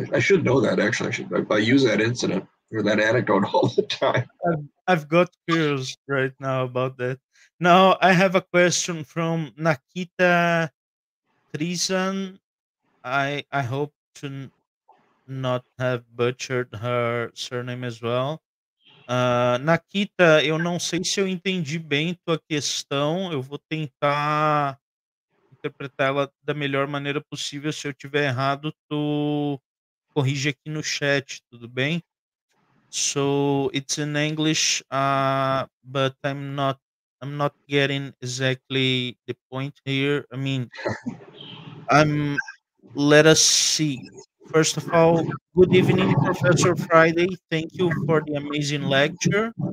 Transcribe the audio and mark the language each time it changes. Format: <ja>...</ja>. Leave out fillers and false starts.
<en>I should know that, actually. I use that incident or that anecdote all the time. I've got curious right now about that. Now, I have a question from Nakita Trisan. I hope to not have butchered her surname as well.</en> <pt>Nakita, eu não sei se eu entendi bem tua questão. Eu vou tentar interpretá-la da melhor maneira possível. Se eu tiver errado, tu corrige aqui no chat, tudo bem?</pt> <en>So it's in English, but I'm not getting exactly the point here. I mean, let us see. First of all, good evening, Professor Friday. Thank you for the amazing lecture.</en>